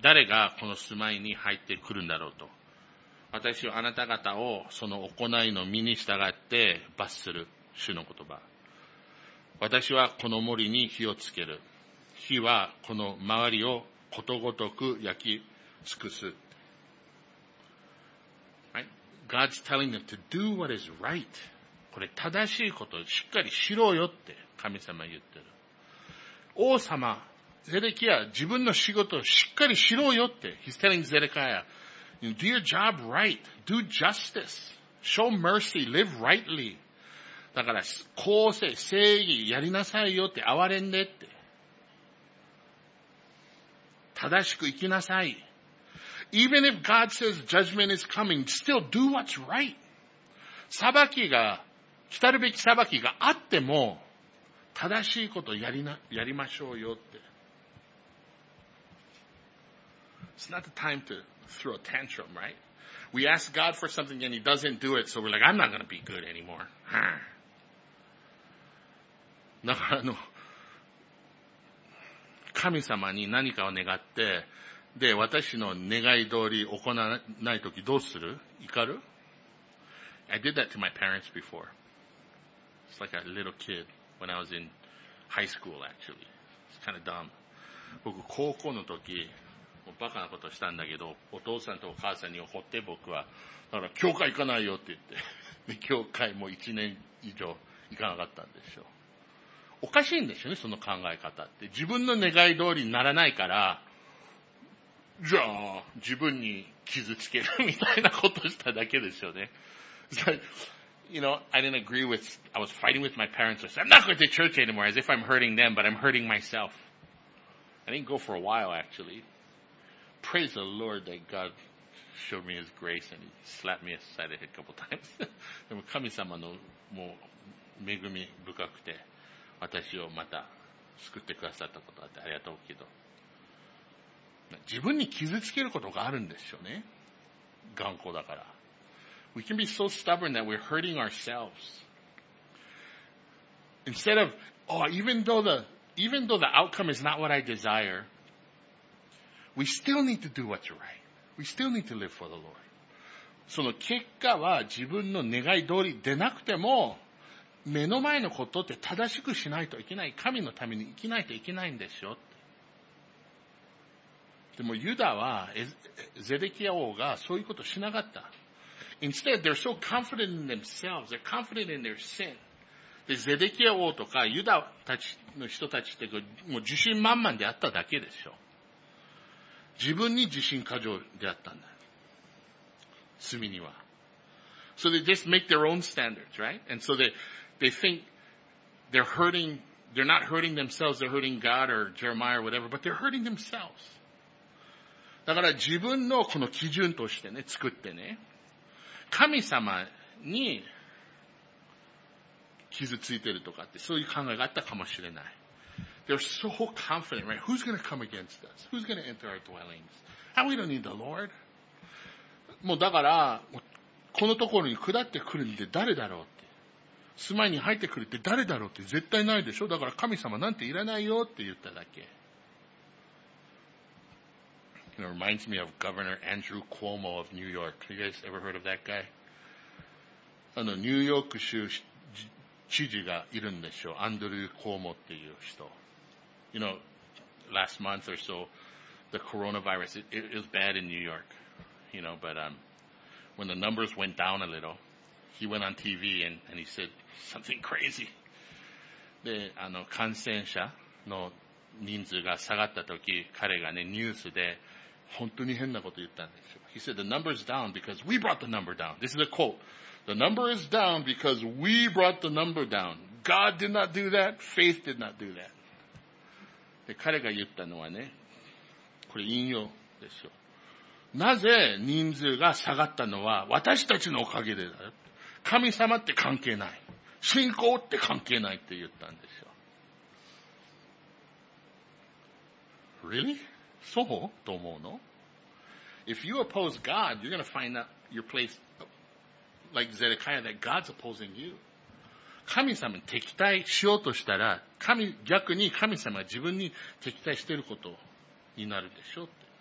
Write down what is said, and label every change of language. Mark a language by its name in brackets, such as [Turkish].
[Japanese] 誰がこの住まいに入ってくるんだろうと。私はあなた方をその行いの身に従って罰する。主の言葉。私はこの森に火をつける。火はこの周りをことごとく焼き尽くす。 [English] Right? God's telling them to do what is right. [Japanese] これ正しいこと、しっかりしろよって神様言ってる。王様、ゼレキア、自分の仕事をしっかりしろよって。 [English] He's telling Zedekiah, do your job right, do justice, show mercy, live rightly. [Japanese] だから、公正、正義、やりなさいよって、憐れんでって。正しく生きなさい。 [English] Even if God says judgment is coming, still do what's right. [Japanese] 裁きが、来たるべき裁きがあっても、正しいことをやりましょうよって。 [English] It's not the time to throw a tantrum, right? We ask God for something and He doesn't do it, so we're like, I'm not gonna be good anymore. [Japanese] だから神様に何かを願って、で、私の願い通り行わないときどうする？怒る？ [English] I did that to my parents before. It's like a little kid. When I was in high school, actually. It's kind of dumb. [Japanese] 僕、高校の時、もうバカなことしたんだけど、お父さんとお母さんに怒って僕は、だから、教会行かないよって言って。で、教会も1年以上行かなかったんでしょう。おかしいんですよね、その考え方って。自分の願い通りにならないから、じゃあ、自分に傷つけるみたいなことしただけですよね。 [English] you know, I didn't agree with, I was fighting with my parents. I said, I'm not going to church anymore, as if I'm hurting them, but I'm hurting myself. I didn't go for a while, actually. Praise the Lord that God showed me His grace and He slapped me aside a couple times. [Japanese] でも神様のもう恵み深くて私をまた救ってくださったことがあってありがとうけど。自分に傷つけることがあるんでしょうね。頑固だから。 [English] We can be so stubborn that we're hurting ourselves. Instead of, oh, even though the outcome is not what I desire, we still need to do what's right. We still need to live for the Lord. [Japanese] その結果は自分の願い通りでなくても、目の前のことって正しくしないといけない。神のために生きないといけないんですよ。でもユダはゼデキヤ王がそういうことしなかった。 [English] Instead, they're so confident in themselves. They're confident in their sin. [Japanese] で、ゼデキヤ王とかユダたちの人たちってもう自信満々であっただけでしょ。自分に自信過剰であったんだ。罪には。 [English] So they just make their own standards, right? And so they think they're hurting, they're not hurting themselves, they're hurting God or Jeremiah or whatever, but they're hurting themselves. [Japanese] だから自分のこの基準としてね、作ってね、神様に傷ついてるとかって、そういう考えがあったかもしれない。 [English] They're so confident, right? Who's gonna come against us? Who's gonna enter our dwellings? And we don't need the Lord. [Japanese] もうだから、このところに下ってくるんで誰だろうって。住まいに入ってくるって誰だろうって絶対ないでしょ。だから神様なんていらないよって言っただけ。 [English] You know, reminds me of Governor Andrew Cuomo of New York. You guys ever heard of that guy? [Japanese] あの、ニューヨーク州知事がいるんでしょう。アンドリュー・コーモっていう人。 [English] You know, last month or so, the coronavirus, it was bad in New York. You know, but, when the numbers went down a little, he went on TV and he said something crazy. [Japanese] で、あの、感染者の人数が下がったとき、彼がね、ニュースで、本当に変なこと言ったんですよ。 [English] He said, the number is down because we brought the number down. This is a quote. The number is down because we brought the number down. God did not do that. Faith did not do that. [Japanese] で、彼が言ったのはね、これ引用ですよ。なぜ人数が下がったのは私たちのおかげでだよ。神様って関係ない。信仰って関係ないって言ったんですよ。 [English] Really? [Japanese] そうと思うの? [English] If you oppose God, you're going to find out your place like Zedekiah that God's opposing you. [Japanese] 神様に敵対しようとしたら、逆に神様が自分に敵対していることになるでしょうって。